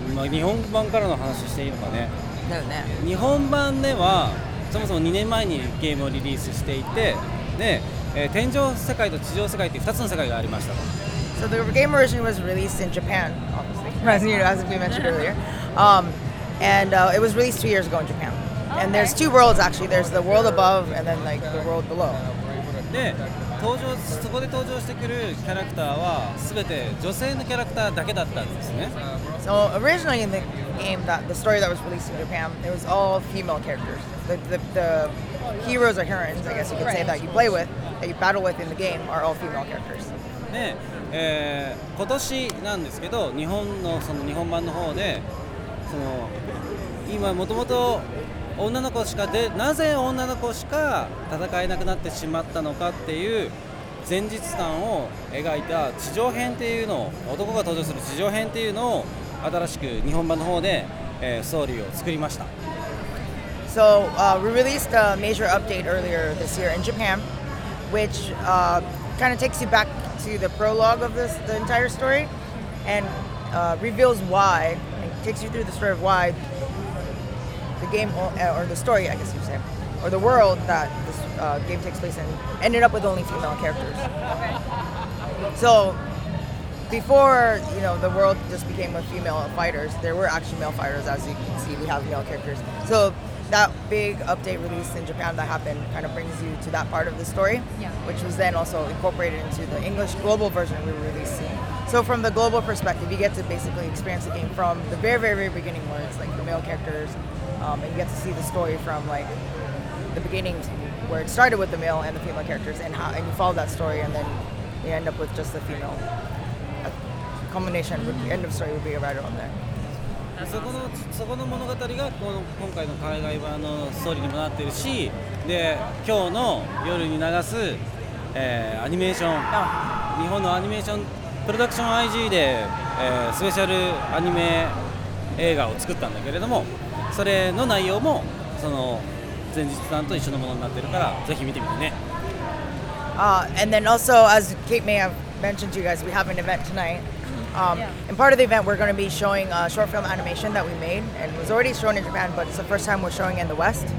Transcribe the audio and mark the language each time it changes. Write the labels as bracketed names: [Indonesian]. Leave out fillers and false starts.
[Japanese] 日本版からの話していいのかね。だよね。日本版ではそもそも2年前にゲームをリリースしていて、で、天井世界と地上世界という2つの世界がありましたと。 [English] So the game version was released in Japan, obviously, as we mentioned earlier. It was released 2 years ago in Japan. And there's two worlds actually. There's the world above and then like the world below. [Japanese] で、そこで登場してくるキャラクターは全て女性のキャラクターだけだったんですね。 [English] So originally in the game, that the story that was released in Japan, it was all female characters. The heroes or heroines, I guess you could say, that you play with, that you battle with in the game, are all female characters. で、今年なんですけど、日本版の方で、その今もともと女の子しかで、なぜ女の子しか戦えなくなってしまったのかっていう前日談を描いた地上編っていうのを、男が登場する地上編っていうのを新しく日本版の方で、ストーリーを作りました。 So, we released a major update earlier this year in Japan, which kind of takes you back to the prologue of this, the entire story, and reveals why, and takes you through the story of why the game, or the story, I guess you'd say, or the world that this game takes place in, ended up with only female characters. So, before, you know, the world just became with female fighters, there were actually male fighters, as you can see, we have male characters. So that big update release in Japan that happened kind of brings you to that part of the story, which was then also incorporated into the English global version we released. So from the global perspective, you get to basically experience the game from the very, very, very beginning where it's like the male characters, and you get to see the story from like the beginning where it started with the male and the female characters, and how, and you follow that story, and then you end up with just the female. Combination, end of story would be right around there. [Japanese] そこの物語がこの今回の海外版のストーリーにもなってるし、で、今日の夜に流す、アニメーション、日本のアニメーションプロダクション IG で、スペシャルアニメ映画を作ったんだけれども、それの内容もその前日談と一緒のものになってるから、ぜひ見てみてね。 [English] And then also, as Kate may have mentioned to you guys, we have an event tonightAnd part of the event, we're going to be showing a short film animation that we made, and it was already shown in Japan, but it's the first time we're showing in the West.